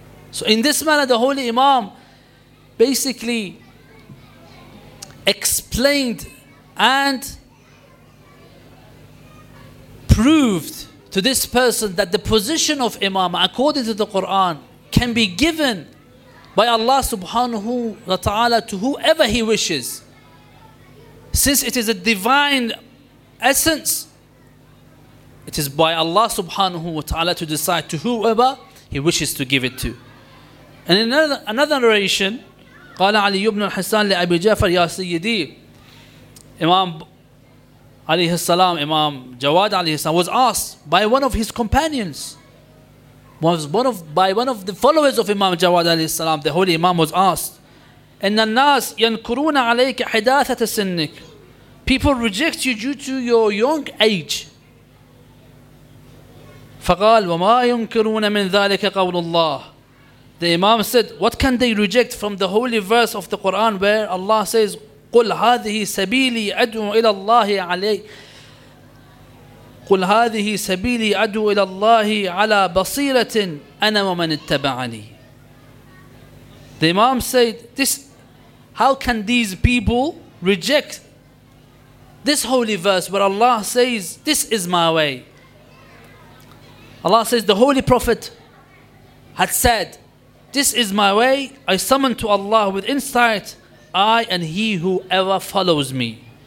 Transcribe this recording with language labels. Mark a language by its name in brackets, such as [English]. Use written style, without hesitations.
[English] So in this manner, the holy imam basically explained and proved to this person that the position of imama according to the Quran can be given by Allah subhanahu wa ta'ala to whoever he wishes, since it is a divine essence. It is by Allah subhanahu wa ta'ala to decide to whoever he wishes to give it to. And in another narration, [Arabic] قال علي بن الحسن لأبي جعفر يا سيدي. [English] Imam alayhi salam, Imam Jawad alayhi salam, was asked by one of his companions, was one of the followers of Imam Jawad alayhi salam, the holy imam was asked, [Arabic] إن الناس ينكرون عليك حداثة سنك. [English] People reject you due to your young age. [Arabic] فقال وما ينكرون من ذلك قول الله. [English] The imam said, what can they reject from the holy verse of the Quran where Allah says, [Arabic] قُلْ هَذِهِ سَبِيلِي أَدْوُ إِلَى اللَّهِ عَلَيْهِ قُلْ هَذِهِ سَبِيلِي أَدْوُ إِلَى اللَّهِ عَلَى بَصِيرَةٍ أَنَا وَمَنِ اتَّبَعَنِي. [English] The imam said, how can these people reject this holy verse where Allah says, this is my way? Allah says, the holy prophet had said, this is my way, I summon to Allah with insight, I and he whoever follows me.